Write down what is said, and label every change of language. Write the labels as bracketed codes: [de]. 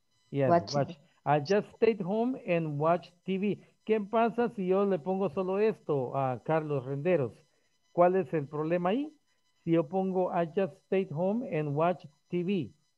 [en] Yes, watched. I just stayed home and watched TV. [es] ¿Qué pasa si yo le pongo solo esto a Carlos Renderos? ¿Cuál es el problema ahí? Si yo pongo [en] I just stayed home and watched TV.